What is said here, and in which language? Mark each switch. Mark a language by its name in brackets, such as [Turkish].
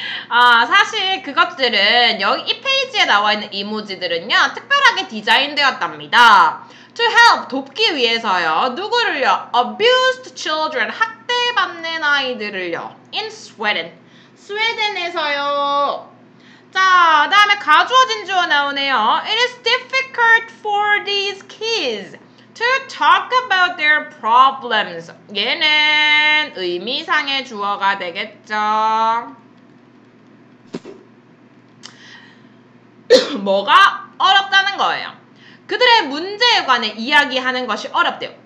[Korean] 사실 그것들은 여기 이 페이지에 나와 있는 이모지들은요 특별하게 디자인되었답니다. [English] To help, [Korean] 돕기 위해서요. 누구를요? [English] Abused children, [Korean] 학대받는 아이들을요. [English] In Sweden. [Korean] 스웨덴에서요. 자, 다음에 가주어진 주어 나오네요. [English] It is difficult for these kids to talk about their problems. [Korean] 얘는 의미상의 주어가 되겠죠. 뭐가 어렵다는 거예요? 그들의 문제에 관해 이야기하는 것이 어렵대요.